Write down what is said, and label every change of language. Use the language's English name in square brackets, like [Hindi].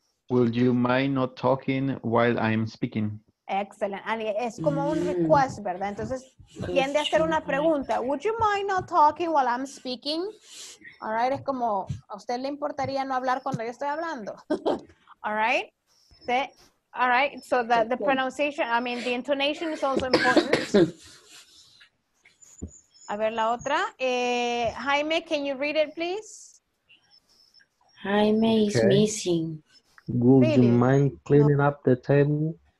[English] Would you mind not talking while I'm speaking? Excellent. And [Spanish] es como un request, ¿verdad? Entonces, tiende a ser una pregunta. [English] Would you mind not talking while I'm speaking? All right. [Spanish] Es como, ¿a usted le importaría no hablar cuando yo estoy hablando? [English] All right. All right. So the pronunciation, I mean, the intonation is also important. [Spanish] A ver la otra. [English] Jaime, can you read it, please? Jaime is missing. Would you mind cleaning up the table?